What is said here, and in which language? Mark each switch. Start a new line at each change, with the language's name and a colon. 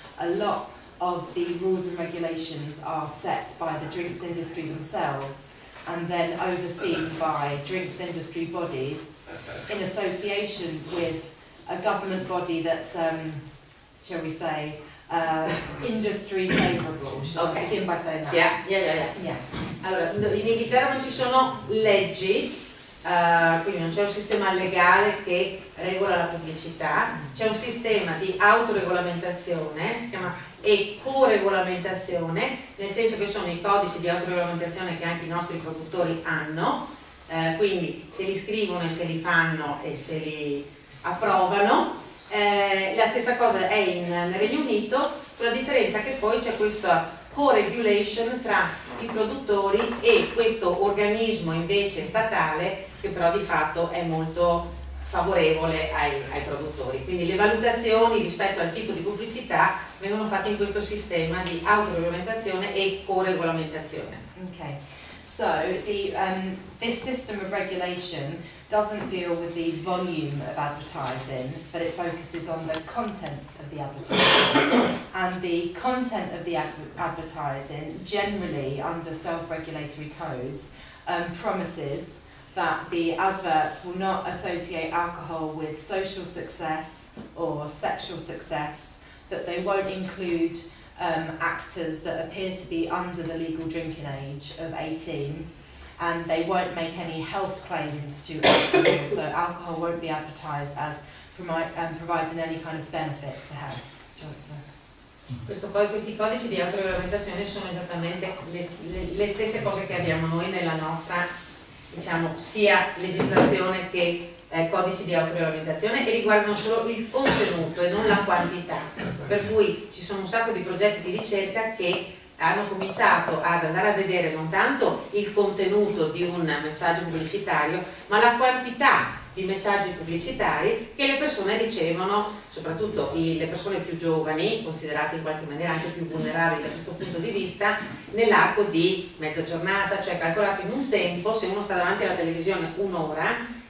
English: A lot of the rules and regulations are set by the drinks industry themselves and then overseen by drinks industry bodies in association with a government body that's, shall we say, industry favorable. Shall okay. I begin by saying that? Yeah.
Italian: Allora, in Inghilterra non ci sono leggi, quindi non c'è un sistema legale che regola la pubblicità, c'è un sistema di autoregolamentazione, si chiama e co-regolamentazione, nel senso che sono i codici di autoregolamentazione che anche i nostri produttori hanno, quindi se li scrivono e se li fanno e se li approvano. La stessa cosa è nel Regno Unito, con la differenza che poi c'è questa co-regulation tra i produttori e questo organismo invece statale, che però di fatto è molto favorevole ai produttori. Quindi le valutazioni rispetto al tipo di pubblicità vengono fatte in questo sistema di autoregolamentazione e co-regolamentazione.
English: Okay. So the this system of regulation doesn't deal with the volume of advertising, but it focuses on the content of the advertising. And the content of the advertising generally under self-regulatory codes promises that the adverts will not associate alcohol with social success or sexual success, that they won't include actors that appear to be under the legal drinking age of 18, and they won't make any health claims to alcohol, so alcohol won't be advertised as providing any kind of benefit to health.
Italian: Questi codici di autoregolamentazione sono esattamente le stesse cose che abbiamo noi nella nostra, diciamo, sia legislazione che codici di autoregolamentazione, e riguardano solo il contenuto e non la quantità. Per cui ci sono un sacco di progetti di ricerca che hanno cominciato ad andare a vedere non tanto il contenuto di un messaggio pubblicitario, ma la quantità di messaggi pubblicitari che le persone ricevono, soprattutto le persone più giovani, considerate in qualche maniera anche più vulnerabili da questo punto di vista, nell'arco di mezza giornata. Cioè calcolato in un tempo, se uno sta davanti alla televisione un'ora,